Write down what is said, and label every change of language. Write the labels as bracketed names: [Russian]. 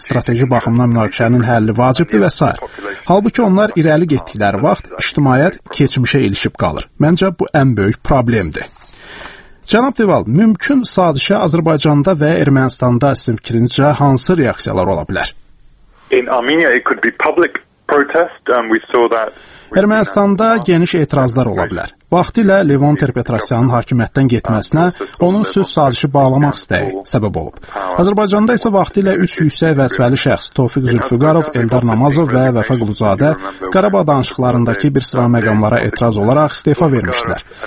[Azerbaijani] Strateji baxımdan münaqişənin həlli vacibdir və s. Halbuki onlar irəli getdikləri vaxt ictimaiyyət keçmişə ilişib qalır. Məncə bu ən böyük problemdir. Cənab Deval, mümkün sazişə Azərbaycanda və Ermənistanda sizin fikrinizcə hansı reaksiyalar ola bilər? [English] In Armenia it could be public protest and we saw that. [Azerbaijani] Ermənistanda geniş etirazlar ola bilər. Vaxtilə Levont Erpetrasyanın hakimiyyətdən getməsinə onun sülh sazişi bağlamaq istəyi səbəb olub. Azərbaycanda isə vaxtilə üç yüksək vəzifəli şəxs Tofiq Zülfüqarov, Eldar Namazov və Vəfa Quluzadə Qarabağ danışıqlarındakı bir sıra məqamlara etiraz olaraq istefa vermişdilər.